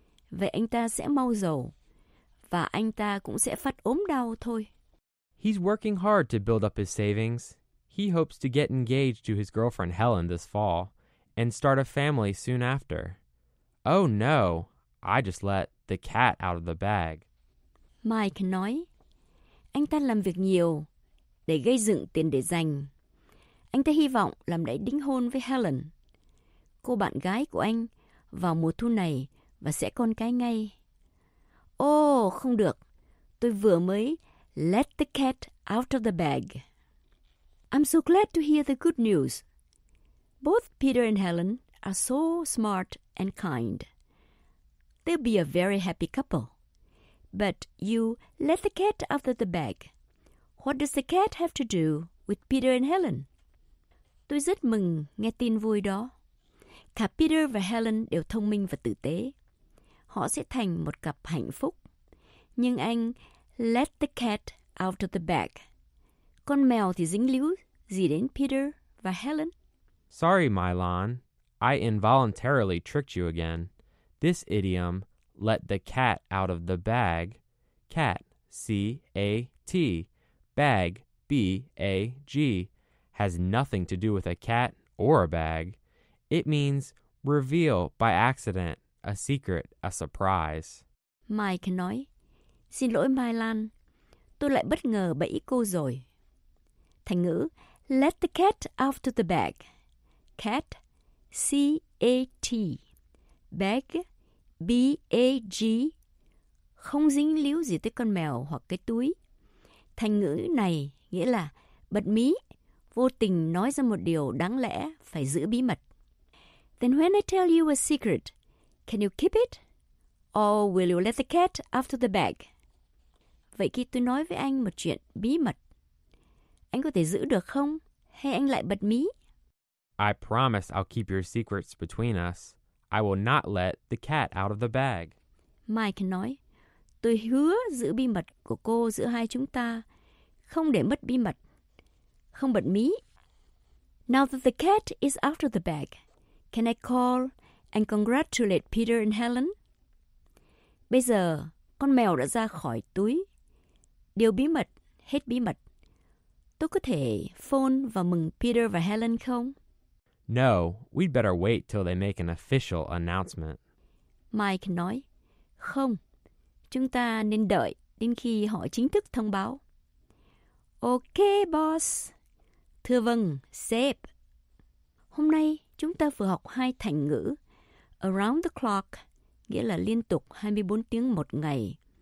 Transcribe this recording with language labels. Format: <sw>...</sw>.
<vi>Vậy anh ta sẽ mau giàu, và anh ta cũng sẽ phát ốm đau thôi.</vi> <en>He's working hard to build up his savings. He hopes to get engaged to his girlfriend Helen this fall and start a family soon after. Oh no, I just let the cat out of the bag.</en> <vi>Mike nói, anh ta làm việc nhiều để gây dựng tiền để dành. Anh ta hy vọng làm lễ đính hôn với Helen, cô bạn gái của anh, vào mùa thu này và sẽ con cái ngay.</vi> <en>Oh,</en> <vi>không được. Tôi vừa mới</vi> <en>let the cat out of the bag. I'm so glad to hear the good news. Both Peter and Helen are so smart and kind. They'll be a very happy couple. But you let the cat out of the bag. What does the cat have to do with Peter and Helen?</en> <vi>Tôi rất mừng nghe tin vui đó. Cả Peter và Helen đều thông minh và tử tế. Họ sẽ thành một cặp hạnh phúc. Nhưng anh</vi> <en>let the cat out of the bag.</en> <vi>Con mèo thì dính líu gì đến Peter và Helen?</vi> <en>Sorry, Mylon. I involuntarily tricked you again. This idiom, let the cat out of the bag. Cat, C-A-T, bag, B-A-G, has nothing to do with a cat or a bag. It means reveal by accident, a secret, a surprise.</en> <vi>Mike nói, xin lỗi Mai Lan, tôi lại bất ngờ bẫy cô rồi. Thành ngữ,</vi> <en>let the cat out of the bag.</en> <vi>Cat, C-A-T, bag, B-A-G, không dính líu gì tới con mèo hoặc cái túi. Thành ngữ này nghĩa là bật mí, vô tình nói ra một điều đáng lẽ phải giữ bí mật.</vi> <en>Then when I tell you a secret, can you keep it? Or will you let the cat out of the bag?</en> <vi>Vậy khi tôi nói với anh một chuyện bí mật, anh có thể giữ được không? Hay anh lại bật mí?</vi> <en>I promise I'll keep your secrets between us. I will not let the cat out of the bag.</en> <vi>Mike nói, tôi hứa giữ bí mật của cô giữa hai chúng ta, không để mất bí mật, không bật mí.</vi> <en>Now that the cat is out of the bag, can I call and congratulate Peter and Helen?</en> <vi>Bây giờ, con mèo đã ra khỏi túi. Điều bí mật, hết bí mật. Tôi có thể phone và mừng Peter và Helen không?</vi> <en>No, we'd better wait till they make an official announcement.</en> <vi>Mike nói, không, chúng ta nên đợi đến khi họ chính thức thông báo.</vi> <en>Okay, boss.</en> <vi>Thưa vâng, sếp. Hôm nay, chúng ta vừa học hai thành ngữ.</vi> <en>Around the clock,</en> <vi>nghĩa là liên tục 24 tiếng một ngày.</vi>